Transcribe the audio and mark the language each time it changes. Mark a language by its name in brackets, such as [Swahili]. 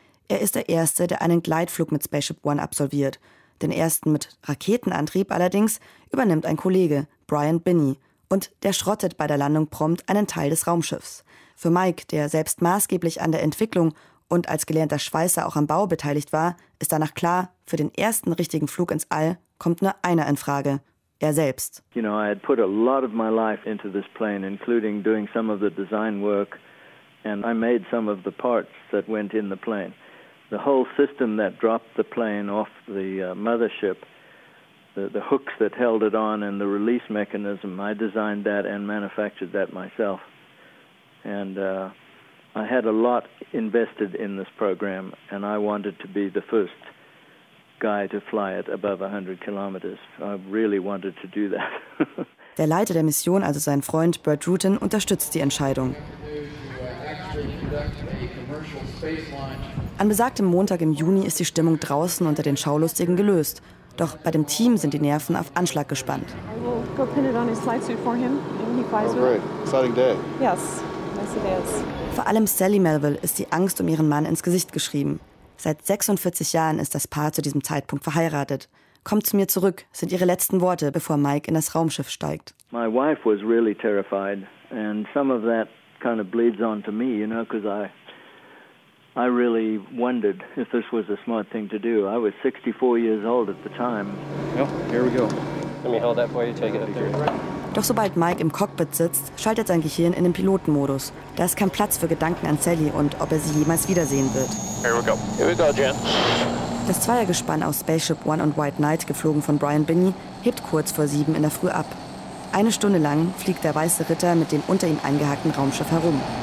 [German] Er ist der Erste, der einen Gleitflug mit Spaceship One absolviert. Den ersten mit Raketenantrieb allerdings übernimmt ein Kollege, Brian Binney. Und der schrottet bei der Landung prompt einen Teil des Raumschiffs. Für Mike, der selbst maßgeblich an der Entwicklung und als gelernter Schweißer auch am Bau beteiligt war, ist danach klar, für den ersten richtigen Flug ins All kommt nur einer in Frage, er selbst. [English] You know, I had put a lot of my life into this plane, including doing some of the design work, and I made some of the parts that went in the plane. The whole system that dropped the plane off the mothership, the hooks that held it on and the release mechanism, I designed that and manufactured that myself. And I had a lot invested in this program and I wanted to be the first guy to fly it above 100 kilometers. I really wanted to do that. [German] Der Leiter der Mission, also sein Freund Bert Rutan, unterstützt die Entscheidung. An besagtem Montag im Juni ist die Stimmung draußen unter den Schaulustigen gelöst. Doch bei dem Team sind die Nerven auf Anschlag gespannt. [English] I will go pin it on his flight suit for him and he flies with it. Exciting day. Yes, nice day. [German] Vor allem Sally Melville ist die Angst um ihren Mann ins Gesicht geschrieben. Seit 46 Jahren ist das Paar zu diesem Zeitpunkt verheiratet. Kommt zu mir zurück, sind ihre letzten Worte, bevor Mike in das Raumschiff steigt. [English] My wife was really terrified and some of that kind of bleeds on to me, you know, because I really wondered if this was a smart thing to do. I was 64 years old at the time. Yep, here we go. Let me hold that for you, take it up there. [German] Doch sobald Mike im Cockpit sitzt, schaltet sein Gehirn in den Pilotenmodus. Da ist kein Platz für Gedanken an Sally und ob er sie jemals wiedersehen wird. [English] Here we go. Here we go, Jen. [German] Das Zweiergespann aus Spaceship One und White Knight, geflogen von Brian Binney, hebt kurz vor 7 in der Früh ab. Eine Stunde lang fliegt der weiße Ritter mit dem unter ihm eingehackten Raumschiff herum.